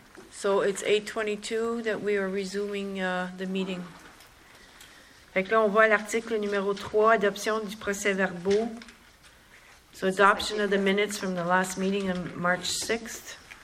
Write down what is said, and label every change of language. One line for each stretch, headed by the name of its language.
English: So it's 8:22 that we are resuming the meeting.
French: Fait que là, on voit l'article numéro 3, adoption du procès-verbal.
English: So, adoption of the minutes from the last meeting on March 6th.